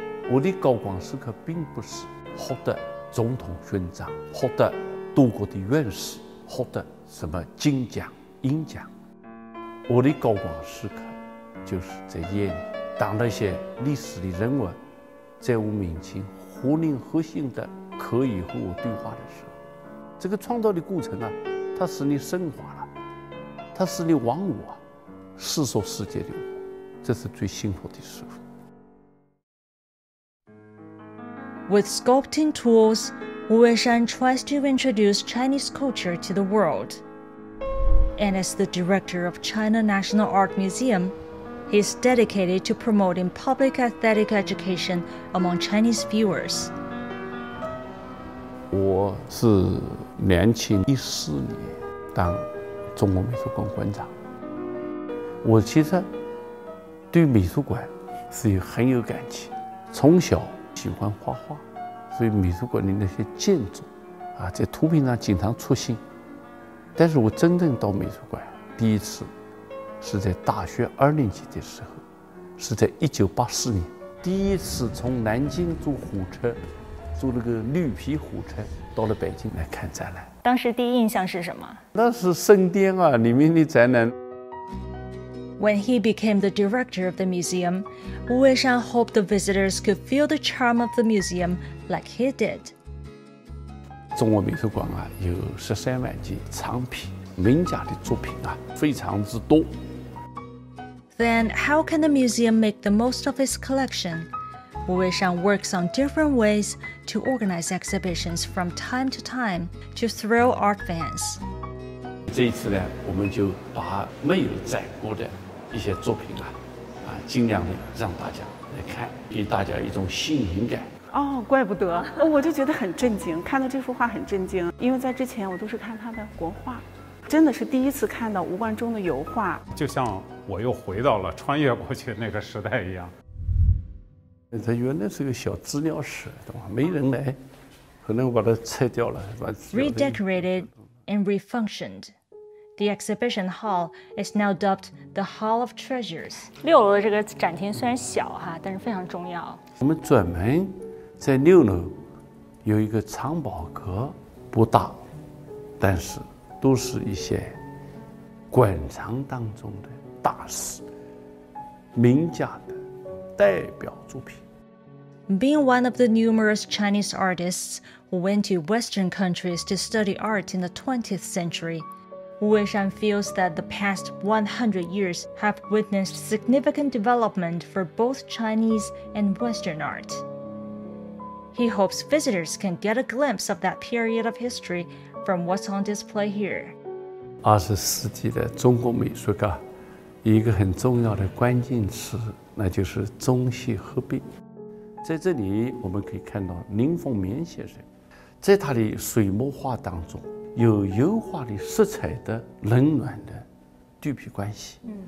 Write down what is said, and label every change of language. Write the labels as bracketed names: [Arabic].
[Chinese] 我的高光时刻并不是获得总统勋章，获得多国的院士，获得什么金奖银奖，我的高光时刻就是在夜里，当那些历史的人物在我面前活灵活现的可以和我对话的时候，这个创造的过程啊，它使你升华了，它使你忘我，世俗世界的我，这是最幸福的时候。 [English] With sculpting tools, Wu Weishan tries to introduce Chinese culture to the world. And as the director of China National Art Museum, he is dedicated to promoting public aesthetic education among Chinese viewers. [Chinese] 我是2014年当中国美术馆馆长。我其实对美术馆是很有感情，从小喜欢画画。所以美术馆的那些建筑啊，在图片上经常出现，但是我真正到美术馆第一次是在大学二年级的时候，是在1984年第一次从南京坐火车，坐那个绿皮火车到了北京来看展览。当时第一印象是什么？那是圣殿啊，里面的展览。 [English] When he became the director of the museum, Wu Weishan hoped the visitors could feel the charm of the museum like he did. [Chinese] 中国美术馆啊，有130,000件藏品，名家的作品啊，非常之多。 [English] Then how can the museum make the most of its collection? Wu Weishan works on different ways to organize exhibitions from time to time to thrill art fans. [Chinese] 这一次呢，我们就把没有展过的一些作品啊，尽量的让大家来看，给大家一种新颖感。哦，怪不得，我就觉得很震惊，看到这幅画很震惊，因为在之前我都是看他的国画，真的是第一次看到吴冠中的油画，就像我又回到了穿越过去那个时代一样。它原来是个小资料室，没人来，可能把它拆掉了。 [English] Redecorated and refunctioned. The exhibition hall is now dubbed the Hall of Treasures. [Chinese] 六楼的这个展厅虽然小哈，但是非常重要。我们专门在六楼有一个藏宝阁，不大，但是都是一些馆藏当中的大师、名家的代表作品。 [English] Being one of the numerous Chinese artists who went to Western countries to study art in the 20th century. Wu Weishan feels that the past 100 years have witnessed significant development for both Chinese and Western art. He hopes visitors can get a glimpse of that period of history from what's on display here. [Chinese] 20世纪的中国美术家一个很重要的关键词，那就是中西合璧。在这里我们可以看到林凤眠先生在他的水墨画当中有油画的色彩的冷暖的对比关系，